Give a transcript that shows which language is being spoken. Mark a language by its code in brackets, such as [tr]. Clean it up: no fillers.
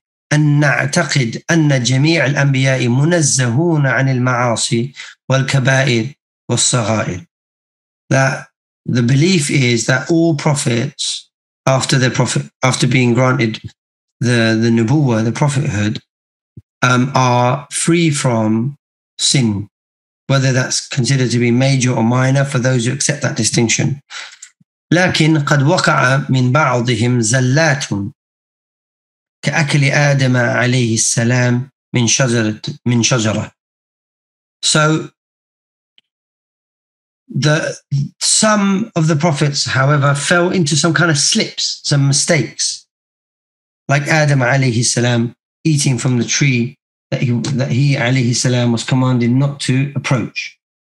[en] That the belief is that all prophets, after their prophet, after being granted the nubuwa, the prophethood, are free from sin, whether that's considered to be major or minor, for those who accept that distinction. [ar] لكن قد وقع من بعضهم زلات كأكل آدم عليه السلام من شجرة من شجرة. [en] So some of the prophets, however, fell into some kind of slips, some mistakes, like Adam عليه السلام eating from the tree that he عليه السلام was commanded not to approach.